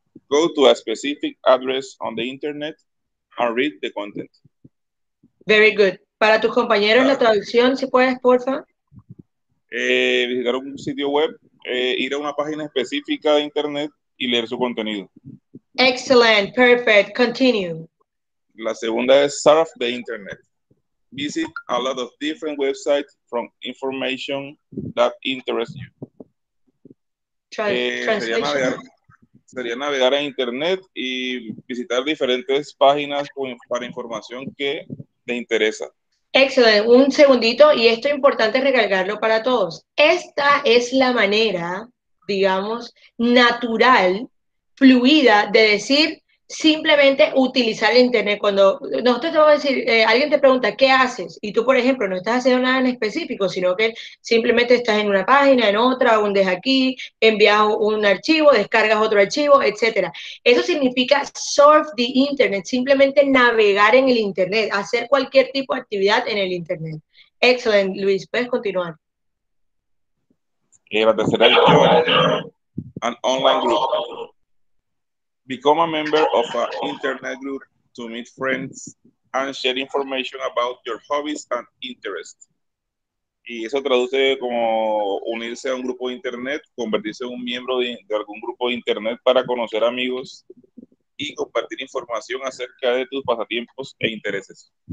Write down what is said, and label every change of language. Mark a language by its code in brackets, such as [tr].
[en] Go to a specific address on the internet and read the content. Very good. [es] Para tus compañeros, la traducción, si puedes, porfa. Visitar un sitio web, ir a una página específica de internet y leer su contenido. [en] Excellent, perfect, continue. [es] La segunda es surf the internet. [en] Visit a lot of different websites from information that interests you. [es] Sería navegar en internet y visitar diferentes páginas para información que te interesa. Excellent, un segundito, y esto es importante recalcarlo para todos. Esta es la manera, digamos, natural, fluida de decir simplemente utilizar el internet. Cuando nosotros te vamos a decir, alguien te pregunta, ¿qué haces? Y tú, por ejemplo, no estás haciendo nada en específico, sino que simplemente estás en una página, en otra, un desde aquí, envías un archivo, descargas otro archivo, etcétera. Eso significa surf the internet, simplemente navegar en el internet, hacer cualquier tipo de actividad en el internet. Excelente, Luis, puedes continuar. Y la tercera lección, an online group. [en] Become a member of an internet group to meet friends and share information about your hobbies and interests. [es] Y eso traduce como unirse a un grupo de internet, convertirse en un miembro de algún grupo de internet para conocer amigos y compartir información acerca de tus pasatiempos e intereses.